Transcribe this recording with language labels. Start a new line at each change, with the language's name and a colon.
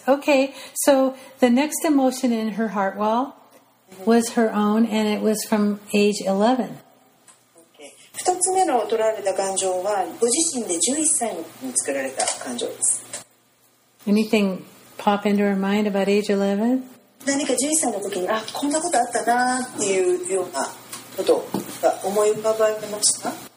English: Okay, so the next emotion in her heart wall was her own, and it was from age 11. Okay.
Japanese: 二つ目の取られた感情はご自身で11歳に作られた感情です。
English: Anything pop into her mind about age 11?
Japanese: 何か11歳の時に、あ、こんなことあったなっていうようなことが思い浮かばれましたか？